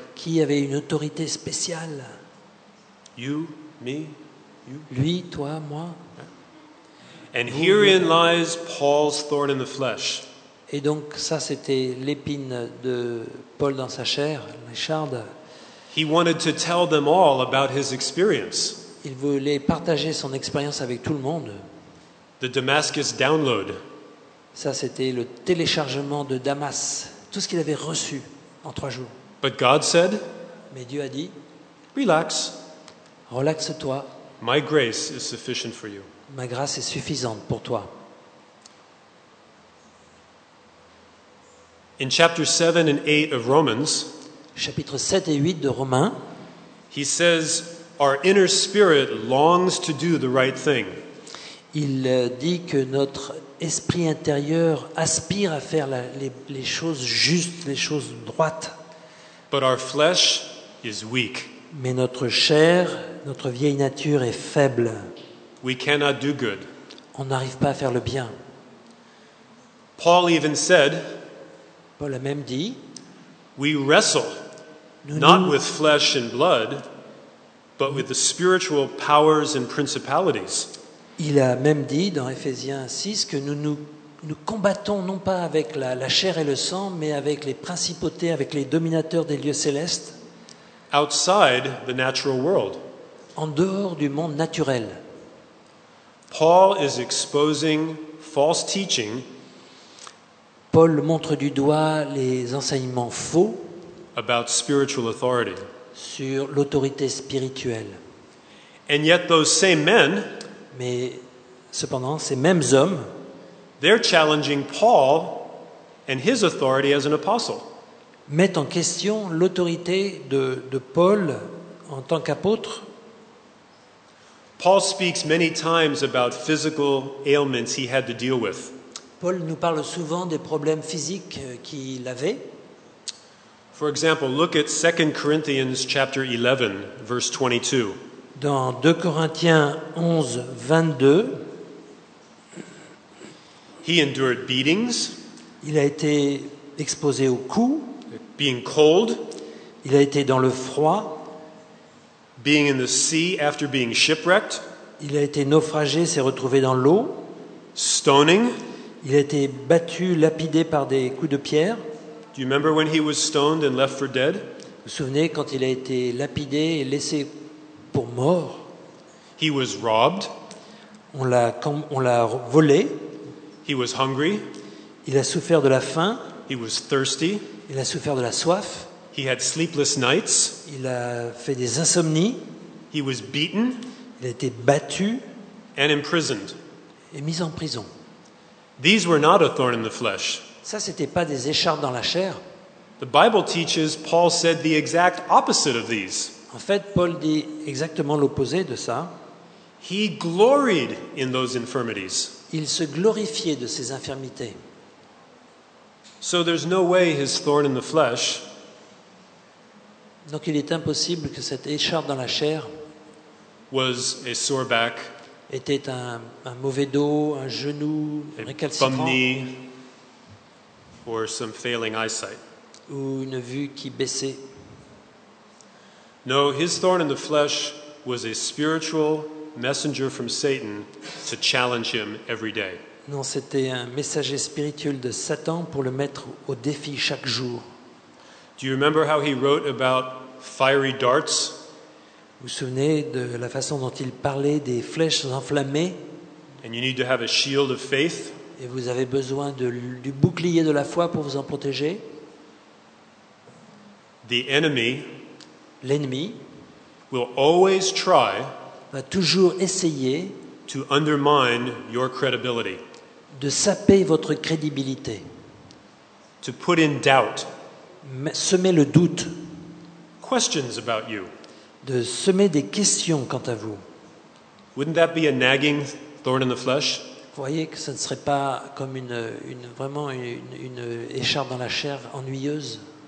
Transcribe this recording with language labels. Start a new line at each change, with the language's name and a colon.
French: Qui avait une autorité spéciale?
English: You, me, you.
French: Lui, toi, moi.
English: And herein lies Paul's thorn in the flesh.
French: Et donc ça c'était l'épine de Paul dans sa chair, l'écharde.
English: He wanted to tell them all about his experience.
French: Il voulait partager son expérience avec tout le monde.
English: The Damascus download.
French: Ça c'était le téléchargement de Damas, tout ce qu'il avait reçu en 3 jours.
English: But God said,
French: mais Dieu a dit,
English: relax.
French: Relaxe-toi.
English: My grace is sufficient for you.
French: Ma grâce est suffisante pour toi.
English: In chapter 7 and 8 of Romans,
French: chapitre 7 et 8 de Romains,
English: he says our inner spirit longs to do the right thing.
French: Il dit que notre esprit intérieur aspire à faire les choses justes, les choses droites.
English: But our flesh is weak.
French: Mais notre chair, notre vieille nature est faible.
English: We cannot do good.
French: On n'arrive pas à faire le bien.
English: Paul even said,
French: Paul a même dit,
English: we wrestle not with flesh and blood, but with the spiritual powers and principalities.
French: Il a même dit dans Éphésiens 6 que nous combattons non pas avec la chair et le sang, mais avec les principautés, avec les dominateurs des lieux célestes.
English: Outside the natural world.
French: En dehors du monde naturel.
English: Paul is exposing false teaching.
French: Paul montre du doigt les enseignements faux
English: about spiritual authority.
French: Sur l'autorité spirituelle.
English: And yet those same men,
French: mais cependant ces mêmes hommes,
English: they're challenging Paul and his authority as an apostle.
French: Mettent en question l'autorité de Paul en tant qu'apôtre.
English: Paul speaks many times about physical ailments he had to deal with.
French: Paul nous parle souvent des problèmes physiques qu'il avait.
English: For example, look at 2 Corinthians chapter 11, verse 22.
French: Dans 2 Corinthiens 11, 22.
English: He endured beatings.
French: Il a été exposé aux coups.
English: Being cold.
French: Il a été dans le froid.
English: Being in the sea after being shipwrecked.
French: Il a été naufragé, s'est retrouvé dans l'eau.
English: Stoning.
French: Il a été battu, lapidé par des coups de pierre.
English: Do you remember when he was stoned and left for dead?
French: Vous vous souvenez quand il a été lapidé et laissé pour mort?
English: He was robbed.
French: On l'a volé.
English: He was hungry.
French: Il a souffert de la faim.
English: He was thirsty.
French: Il a souffert de la soif.
English: He had sleepless nights.
French: Il a fait des insomnies.
English: He was beaten.
French: Il a été battu.
English: And imprisoned.
French: Et mis en prison.
English: These were not a thorn in the flesh.
French: Ça, c'était pas des écharpes dans la chair.
English: The Bible teaches Paul said the exact opposite of these.
French: En fait, Paul dit exactement l'opposé de ça.
English: He gloried in those infirmities.
French: Il se glorifiait de ses infirmités.
English: So there's no way his thorn in the flesh.
French: Donc il est impossible que cette écharpe dans la chair
English: was a sore back,
French: était un mauvais dos, un genou,
English: a
French: récalcitrant,
English: bum knee, or some failing eyesight.
French: Ou une vue qui baissait.
English: No, his thorn in the flesh was a spiritual messenger from Satan to challenge him every day.
French: Non, c'était un messager spirituel de Satan pour le mettre au défi chaque jour.
English: Do you remember how he wrote about fiery darts?
French: Vous vous souvenez de la façon dont il parlait des flèches enflammées?
English: And you need to have a shield of faith.
French: Et vous avez besoin du bouclier de la foi pour vous en protéger.
English: The enemy,
French: l'ennemi,
English: will always try,
French: va toujours essayer,
English: to undermine your credibility,
French: de saper votre crédibilité,
English: to put in doubt,
French: semer le doute,
English: questions about you,
French: de semer des questions quant à vous.
English: Wouldn't that be a nagging thorn in the flesh?
French: Vous voyez que ce ne serait pas comme une écharpe dans la chair ennuyeuse?